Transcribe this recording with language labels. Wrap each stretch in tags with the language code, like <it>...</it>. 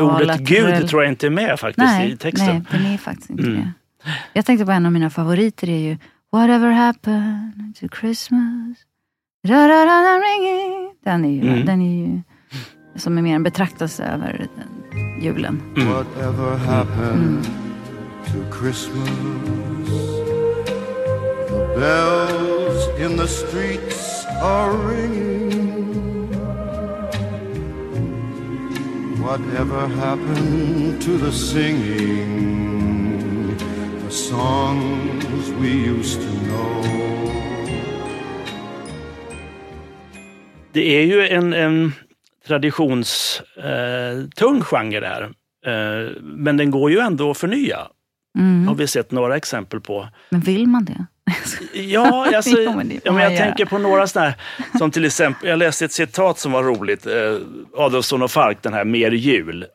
<sv>Men ordet Gud tror jag inte är med faktiskt, nej, i texten. Nej, den är faktiskt inte med. Jag tänkte på en av mina favoriter. Det är ju Whatever happened to Christmas, da-da-da-da ringing. Den är ju som är mer en betraktelse över julen.</sv> <en>Whatever happened to Christmas, the bells in the streets are ringing. Whatever happened to the singing, the songs we used to know.</en> <sv>Det är ju en traditionstung genre det här, men den går ju ändå att förnya. Mm. Har vi sett några exempel på. Men vill man det? Jag tänker på några sådär, som till exempel, jag läste ett citat som var roligt, Adolfsson och Falk, den här Mer jul.</sv>